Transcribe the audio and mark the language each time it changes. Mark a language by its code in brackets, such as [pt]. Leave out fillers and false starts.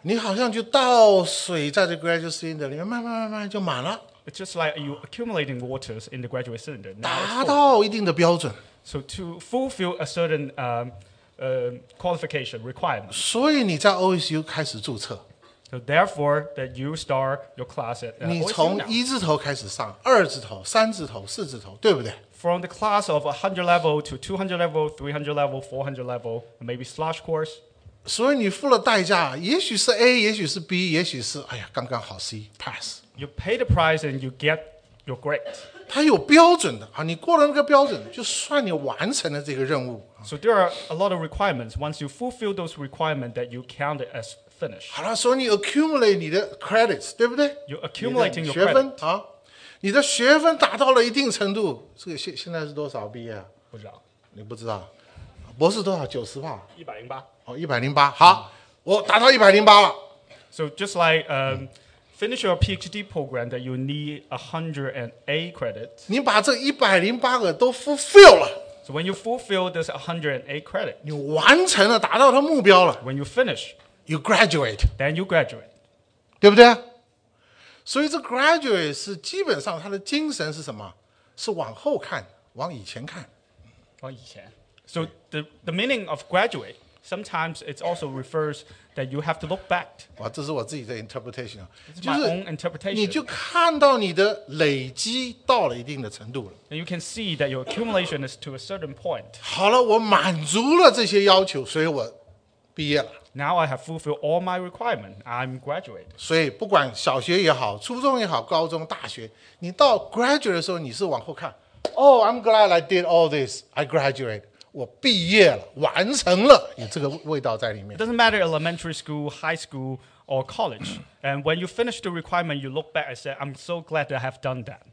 [zh] 你好像就倒水在这 graduate cylinder 里面，慢慢慢慢就满了。 [en] It's just like you accumulating waters in the graduate cylinder. [zh] 达到一定的标准。 [en] So to fulfill a certain qualification requirement. [zh] 所以你在 OSU 开始注册。 [en] So therefore, that you start your class at. [zh] 你从一字头开始上，二字头、三字头、四字头，对不对？ [en] From the class of 100 level to 200 level, 300 level, 400 level, maybe slash course. [zh] 所以你付了代价，也许是 A， 也许是 B， 也许是哎呀刚刚好 C pass. [en] You pay the price and you get your grade. [zh] 它有标准的啊，你过了那个标准，就算你完成了这个任务。 [en] So there are a lot of requirements. Once you fulfill those requirements, that you count it as. [zh] 好了，所以你 accumulate 你的 credits， 对不对？ [en] You're accumulating your [zh] 学分啊，你的学分达到了一定程度，这个现在是多少毕业？不知道，你不知道，博士多少？90吧？ 108。哦，108。好，我达到108了。 [en] So just like finish your PhD program, that you need 108 credits. [zh] 你把这108个都 fulfill 了。 [en] So when you fulfill this 108 credit, [zh] 你完成了，达到它目标了。 [en] When you finish. You graduate. Then you graduate. [zh] 对不对？所以这 graduate 是基本上它的精神是什么？是往后看，往以前看。以前。 [en] So the meaning of graduate, sometimes it also refers that you have to look back. [zh] 哇，这是我自己的 interpretation 啊。 [en] It's my own interpretation. [zh] 你就看到你的累积到了一定的程度了。 [en] And you can see that your accumulation is to a certain point. [zh] 好了，我满足了这些要求，所以我毕业了。 [en] Now I have fulfilled all my requirements. I'm graduated. [zh] 所以不管小学也好，初中也好，高中、大学，你到 graduate 的时候，你是往后看。 [en] Oh, I'm glad I did all this. I graduated. [zh] 我毕业了，完成了，有这个味道在里面。 [en] It doesn't matter elementary school, high school, or college. And when you finish the requirement, you look back and say, I'm so glad that I have done that.